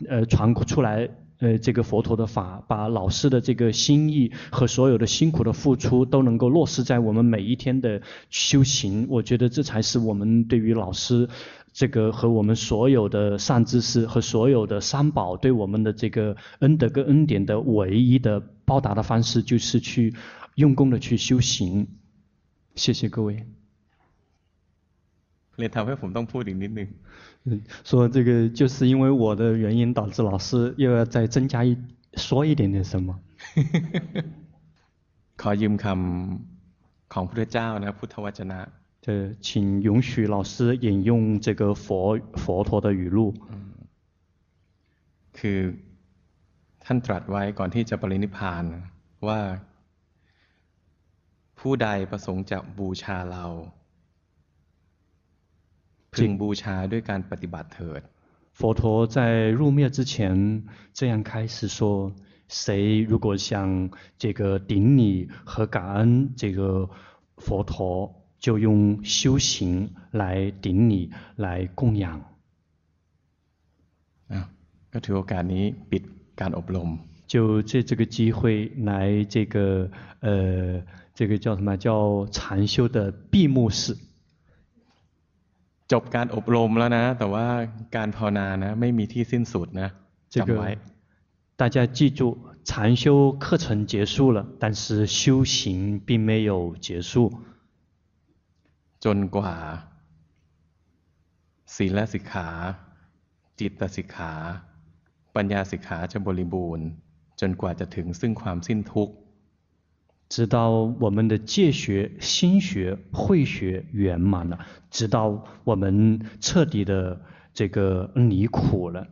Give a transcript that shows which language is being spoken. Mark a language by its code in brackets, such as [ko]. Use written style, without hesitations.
[zh] 传出来，这个佛陀的法，把老师的这个心意和所有的辛苦的付出都能够落实在我们每一天的修行，我觉得这才是我们对于老师这个和我们所有的善知识和所有的三宝对我们的这个恩德跟恩典的唯一的报答的方式，就是去用功的去修行。谢谢各位。你谈会普通铺顶顶顶说这个就是因为我的原因导致老师又要再增加一说一点点什么 [th] ขอยืมคำของพุทธเจ้านะพุทธวจนะ [zh] 请允许老师引用这个佛陀的语录 [th] คือท่านตรัสไว้ก่อนที่จะปรินิพพานว่าผู้ใดประสงค์จะบูชาเราพึงบูชาด้วยการปฏิบัติเถิด [zh] 佛陀在入灭之前这样开始说，谁如果想这个顶礼和感恩这个佛陀，就用修行来顶礼来供养。 [th] ก็ถือโอกาสนี้ปิดการอบรม [zh] 就借这个机会来这个这个叫什么叫禅修的闭幕式。 [th] จบการอบรมแล้วนะแต่ว่าการภาวนานะไม่มีที่สิ้นสุดนะจำไว้ [zh] 大家记住禅修课程结束了但是修行并没有结束 [th] จนกว่าศีลสิกขาจิตสิกขาปัญญาสิกขาจะบริบูรณ์จนกว่าจะถึงซึ่งความสิ้นทุกข์ [zh] 直到我们的戒学心学慧学圆满了直到我们彻底的这个离苦